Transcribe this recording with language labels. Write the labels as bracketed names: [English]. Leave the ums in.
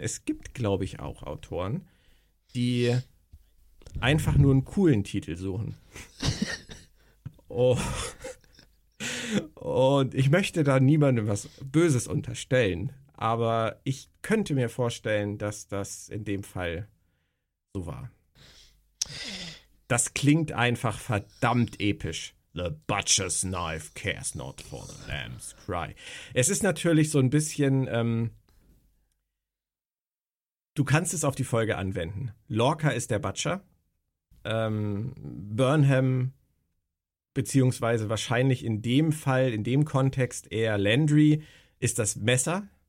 [German] Es gibt, glaube ich, auch Autoren, die einfach nur einen coolen Titel suchen. oh. Und ich möchte da niemandem was Böses unterstellen, aber ich könnte mir vorstellen, dass das in dem Fall so war. Das klingt einfach verdammt episch. [English] The butcher's knife cares not for the lamb's cry. [German] Es ist natürlich so ein bisschen, ähm, du kannst es auf die Folge anwenden. Lorca ist der Butcher. Ähm, Burnham, beziehungsweise wahrscheinlich in dem Fall, in dem Kontext eher Landry, ist das Messer.